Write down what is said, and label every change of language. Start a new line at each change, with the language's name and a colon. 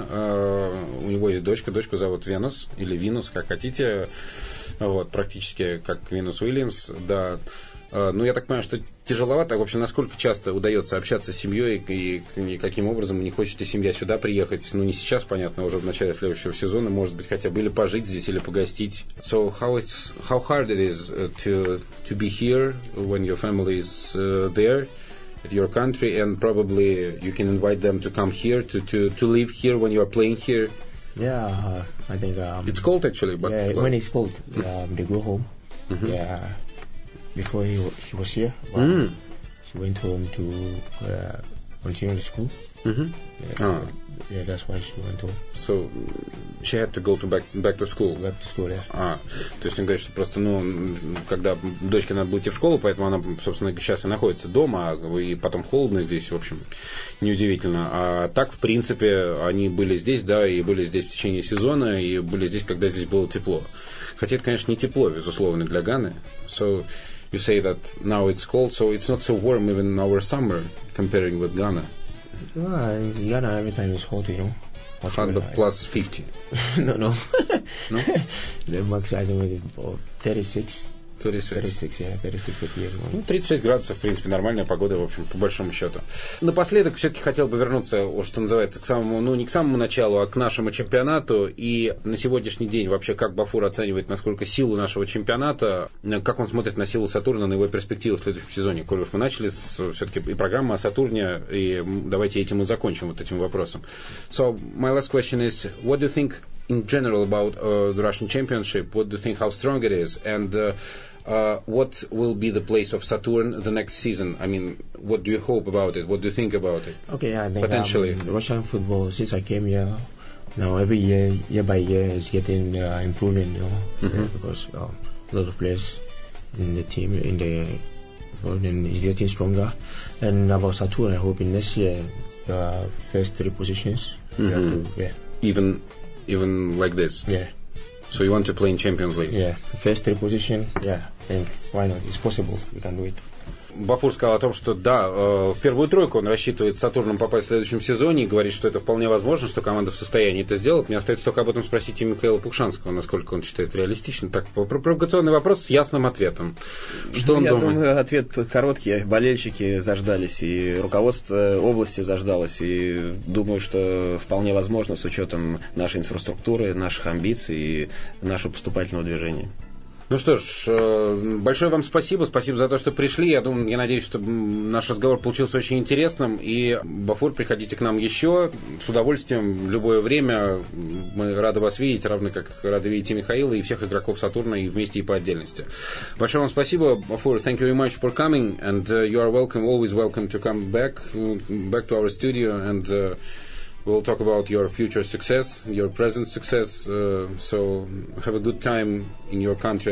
Russian: У него есть дочка. Дочку зовут Венус или Винус, как хотите. Вот, практически как Венус Уильямс. Да. Ну, я так понимаю, что тяжеловато. В общем, насколько часто удается общаться с семьей и каким образом не хочет семья сюда приехать? Ну, не сейчас, понятно, уже в начале следующего сезона, может быть, хотя бы или пожить здесь, или погостить.
English: So, how hard it is to be here when your family is there, at your country, and probably you can invite them to come here, to live here when you are playing here? Yeah, I think... It's cold, actually, but... Yeah, well, when it's cold, they go home. Mm-hmm. Yeah. Before she was here, she went home to continue school. Mm-hmm. Yeah, that's why she went home. So she had to go to back to school. Back to school, yeah.
Russian: То есть он говорит, что просто, ну, когда дочке надо было идти в школу, поэтому она, собственно, сейчас и находится дома, и потом холодно здесь, в общем, неудивительно. А так, в принципе, они были здесь, да, и были здесь в течение сезона, и были здесь, когда здесь было тепло. Хотя это, конечно, не тепло, безусловно, для Ганы.
English: So you say that now it's cold, so it's not so warm even in our summer comparing with Ghana. Yeah, in Ghana every time it's hot, you know. Hot, but plus 50. No. No? The max, I don't know, 36. 36.
Russian: Ну, 36 градусов, в принципе, нормальная погода, в общем, по большому счету. Напоследок, все-таки хотел бы вернуться, что называется, к самому, ну, не к самому началу, а к нашему чемпионату. И на сегодняшний день вообще как Бафур оценивает, насколько силу нашего чемпионата, как он смотрит на силу Сатурна, на его перспективу в следующем сезоне. Коль уж мы начали все-таки и программу о Сатурне, и давайте этим и закончим, вот этим вопросом.
English: So, my last question is, what do you think in general about the Russian championship, what do you think, how strong it is, and what will be the place of Saturn the next season? I mean, what do you hope about it? What do you think about it? Okay, yeah, I think potentially. Russian football, since I came here, now every year by year, is getting improving, you know, because a lot of players in the team, in the world, is getting stronger. And about Saturn, I hope in next year, the first three positions, Even like this? Yeah. So you want to play in Champions League? Yeah. First three position, yeah. Then why not? It's possible. We can do it.
Russian: Бафур сказал о том, что да, в первую тройку он рассчитывает с Сатурном попасть в следующем сезоне и говорит, что это вполне возможно, что команда в состоянии это сделать. Мне остается только об этом спросить и Михаила Пукшанского, насколько он считает реалистичным. Так, провокационный вопрос с ясным ответом. Что он думает? Я думаю, ответ короткий. Болельщики заждались, и руководство области заждалось. И думаю, что вполне возможно с учетом нашей инфраструктуры, наших амбиций и нашего поступательного движения. Ну что ж, большое вам спасибо. Спасибо за то, что пришли. Я думаю, я надеюсь, что наш разговор получился очень интересным. И, Бафур, приходите к нам еще с удовольствием в любое время. Мы рады вас видеть, равно как рады видеть и Михаила, и всех игроков Сатурна, и вместе, и по отдельности. Большое вам спасибо, Бафур.
English: Thank you very much for coming. And you are welcome, always welcome to come back to our studio. And we'll talk about your future success, your present success. So have a good time in your country.